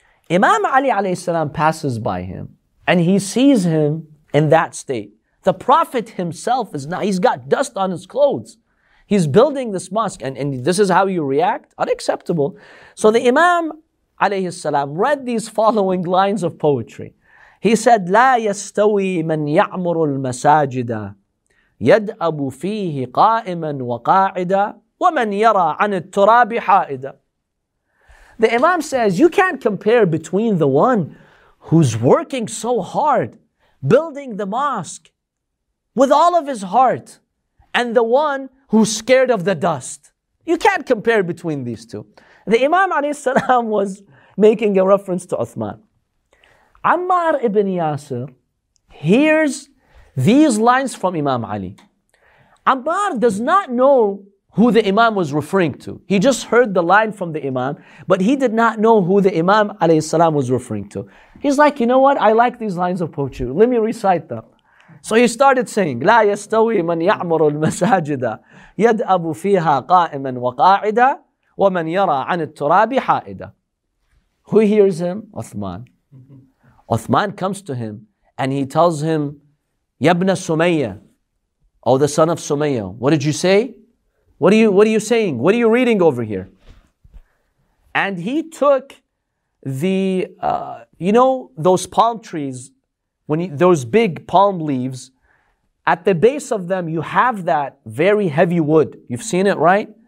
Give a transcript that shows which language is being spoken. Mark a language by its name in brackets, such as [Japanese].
[English] Imam Ali alayhi salam passes by him and he sees him in that state. The Prophet himself is not, he's got dust on his clothes. He's building this mosque and this is how you react? Unacceptable. So the Imam alayhi salam read these following lines of poetry. [Arabic] He said, لا يستوي من يعمر المساجد يدأب فيه قائما وقاعدا ومن يرى عن التراب حائدا. [English] The Imam says, you can't compare between the one who's working so hard, building the mosque with all of his heart, and the one who's scared of the dust. You can't compare between these two. The Imam alayhi salam was making a reference to Uthman. Ammar ibn Yasir hears these lines from Imam Ali. Ammar does not know who the Imam was referring to. He just heard the line from the Imam, but he did not know who the Imam alayhi salam was referring to. He's like, you know what? I like these lines of poetry. Let me recite them. [Arabic] So he started saying, لا يستوي من يعمر المساجد يدأب فيها قائما وقاعدا ومن يرى عن التراب حائدا. [English] Who hears him? Uthman. Uthman comes to him and he tells him, [Arabic] يبنى سمية, [English] oh, the son of Sumayyah, what did you say? What are you saying? What are you reading over here? And he took the, you know, those palm trees, when you, those big palm leaves, at the base of them, you have that very heavy wood. You've seen it, right?